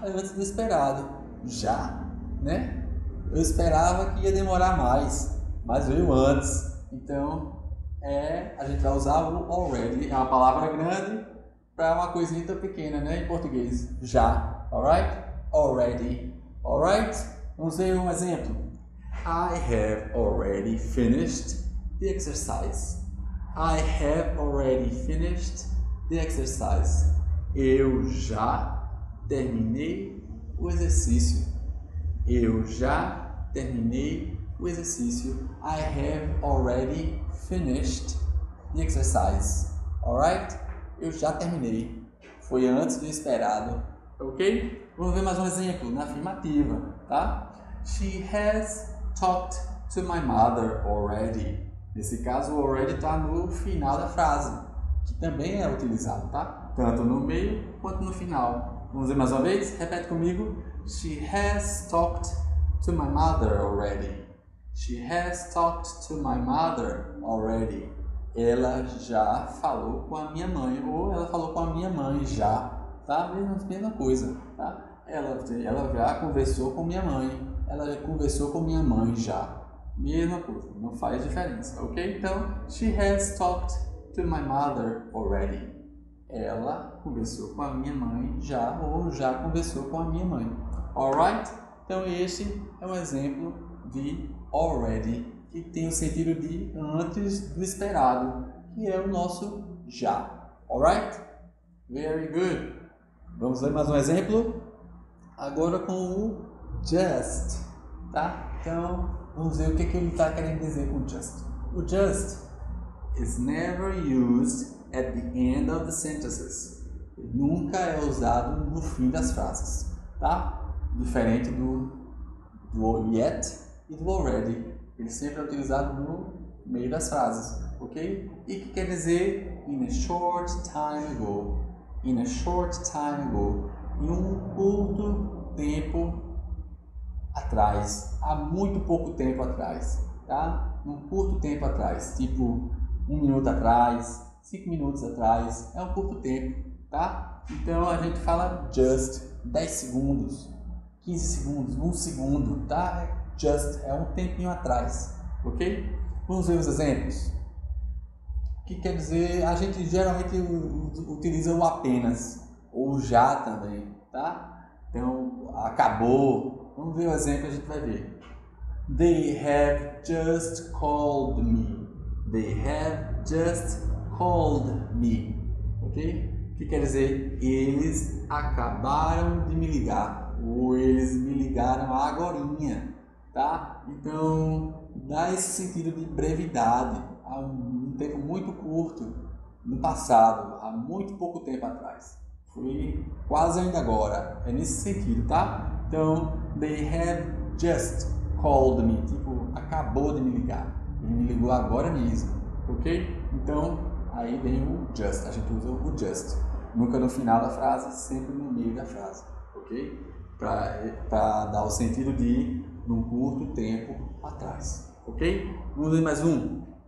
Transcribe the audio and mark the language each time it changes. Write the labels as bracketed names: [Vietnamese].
[Portuguese] Antes do esperado, já, né? Eu esperava que ia demorar mais, mas veio antes, então a gente vai usar o already, é uma palavra grande para uma coisinha tão pequena, né? Em português, já, alright? Already, alright? Vamos ver um exemplo. [English] I have already finished the exercise. I have already finished the exercise. [Portuguese] Eu já terminei o exercício. Eu já terminei o exercício. [English] I have already finished the exercise. [Portuguese] Alright? Eu já terminei. Foi antes do esperado. Ok? Vamos ver mais um exemplo na afirmativa, tá? [English] She has talked to my mother already. [Portuguese] Nesse caso, o already está no final da frase, que também é utilizado, tá? Tanto no meio quanto no final. Vamos ver mais uma vez? Repete comigo. [English] She has talked to my mother already. She has talked to my mother already. [Portuguese] Ela já falou com a minha mãe, ou ela falou com a minha mãe já, tá? Mesma coisa, tá? Ela já conversou com minha mãe. Ela já conversou com minha mãe já. Mesma coisa, não faz diferença, ok? [English] Então, she has talked to my mother already. [Portuguese] Ela conversou com a minha mãe já, ou já conversou com a minha mãe. Alright? Então, este é um exemplo de already, que tem o sentido de antes do esperado, que é o nosso já. Alright? [English] Very good. [Portuguese] Vamos ver mais um exemplo? Agora com o just, tá? Então, vamos ver o que que ele está querendo dizer com just. [English] O just is never used at the end of the sentences. [Portuguese] Nunca é usado no fim das frases, tá? Diferente do yet e do already. Ele sempre é utilizado no meio das frases, ok? E o que quer dizer [English] in a short time ago? In a short time ago. [Portuguese] Em um curto tempo atrás, há muito pouco tempo atrás, tá? Um curto tempo atrás, tipo um minuto atrás, 5 minutos atrás, é um curto tempo, tá? Então a gente fala just, 10 segundos, 15 segundos, 1 segundo, tá? Just é um tempinho atrás, ok? Vamos ver os exemplos. O que quer dizer? A gente geralmente utiliza o apenas ou já também, tá? Então, acabou. Vamos ver o exemplo, a gente vai ver. [English] They have just called me. They have just called me. [Portuguese] Ok? O que quer dizer? Eles acabaram de me ligar. Ou eles me ligaram agorinha. Tá? Então, dá esse sentido de brevidade. Há um tempo muito curto no passado. Há muito pouco tempo atrás. Foi quase ainda agora. É nesse sentido, tá? [English] Então, they have just called me. [Portuguese] Tipo, acabou de me ligar. Ele me ligou agora mesmo. Ok? Então, aí vem o just. A gente usa o just. Nunca no final da frase, sempre no meio da frase. Ok? Pra dar o sentido de num curto tempo atrás. Ok? Vamos ver mais um.